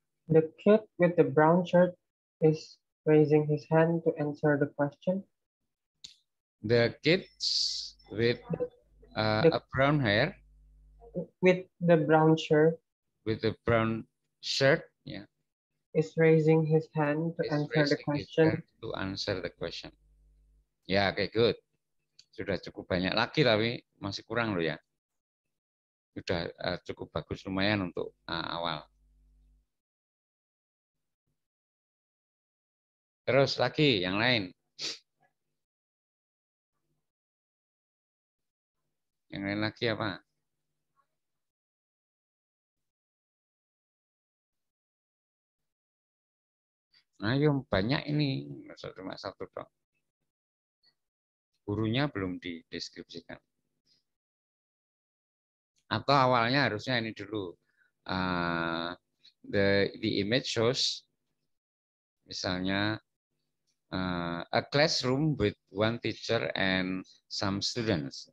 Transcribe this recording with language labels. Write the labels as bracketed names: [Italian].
[English] The kid with the brown shirt is raising his hand to answer the question. The kids with a brown hair. With the brown shirt. With the brown shirt, yeah. Is raising his hand to answer the question. To answer the question. Ya, yeah, okay, good. [Indonesian] Sudah cukup banyak lagi, tapi masih kurang loh ya. Sudah cukup bagus lumayan untuk awal. Terus lagi yang lain. Yang lain lagi apa? Ayo, banyak ini. Cuma satu dong. Gurunya belum dideskripsikan. Atau awalnya harusnya ini dulu. [English] The image shows misalnya a classroom with one teacher and some students.